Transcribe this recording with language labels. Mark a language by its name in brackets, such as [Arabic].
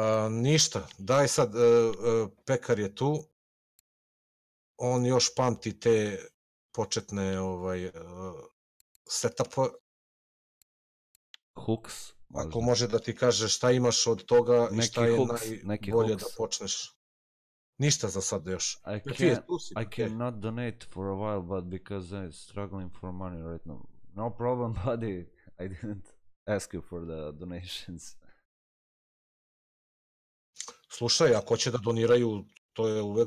[Serbian] Ništa. Daj sad, pekar je tu. On još pamti te početne ovaj setupa. [English] Hooks. [Serbian] Ako može da ti kaže šta imaš od toga i šta je hooks, najbolje da počneš. Ništa za sad još. [English] I cannot donate for a while but because I'm struggling for money right now. No problem buddy, I didn't ask you for the donations. [Serbian] Slušaj, ako će da doniraju, to je uvek...